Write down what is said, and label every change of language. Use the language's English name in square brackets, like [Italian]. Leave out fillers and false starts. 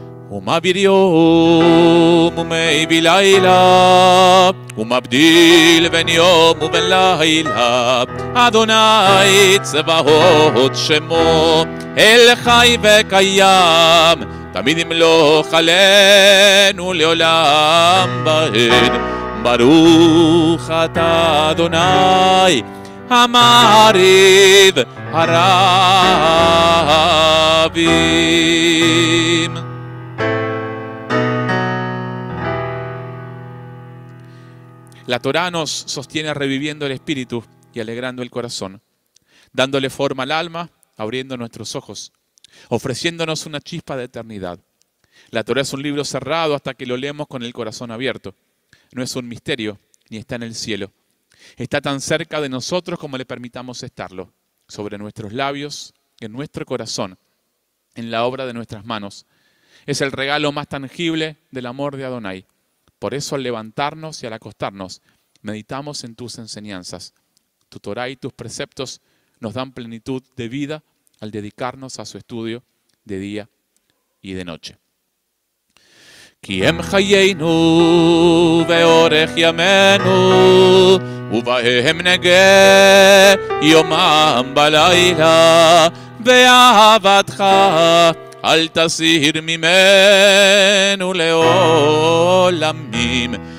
[Hebrew] ומעביר יום ומעביר לילה ומבדיל בין יום ובין לילה אדוני צבאות שמו אל חי וקיים תמיד ימלוך עלינו לעולם בעד ברוך אתה אדוני המעריב הרבים. [Spanish] La Torah nos sostiene reviviendo el espíritu y alegrando el corazón, dándole forma al alma, abriendo nuestros ojos, ofreciéndonos una chispa de eternidad. La Torah es un libro cerrado hasta que lo leemos con el corazón abierto. No es un misterio, ni está en el cielo. Está tan cerca de nosotros como le permitamos estarlo, sobre nuestros labios, en nuestro corazón, en la obra de nuestras manos. Es el regalo más tangible del amor de Adonai. Por eso al levantarnos y al acostarnos, meditamos en tus enseñanzas. Tu Torah y tus preceptos nos dan plenitud de vida al dedicarnos a su estudio de día y de noche. [Hebrew] Kiem hayeinu veorech yamenu ובהם נגה יומם בלילה, ואהבתך אל תסיר ממנו לעולמים.